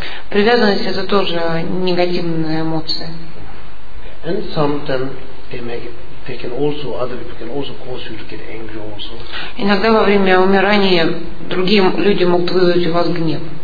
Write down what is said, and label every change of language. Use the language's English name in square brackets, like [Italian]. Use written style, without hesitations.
[Russian] Привязанность — это тоже негативная эмоция. [English] And sometimes they can also, other people can also cause you to get angry also. [Russian] Иногда во время умирания другие люди могут вызвать у вас гнев.